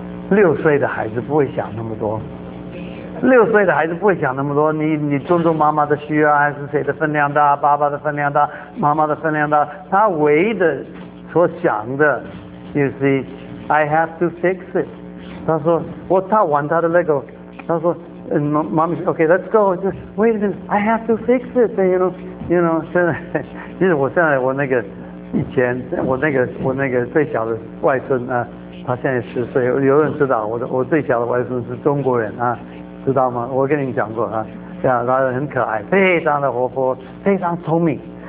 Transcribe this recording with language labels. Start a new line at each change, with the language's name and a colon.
Chinese: 六岁的孩子不会想那么多，六岁的孩子不会想那么多，你尊重妈妈的需要，还是谁的分量大，爸爸的分量大，妈妈的分量大，他唯一的所想的
English: you see I have to fix it。
Chinese: 他说我擦完他的 Lego， 他说
English: And mommy said, okay, let's go. Just, wait a minute, I have to fix it. And, you know,
Chinese: 现在，其实我现在我那个以前我那个最小的外孙啊，他现在十岁，有人知道我最小的外孙是中国人啊，知道吗？我跟你讲过啊，呀，他很可爱，非常的活泼，非常聪明。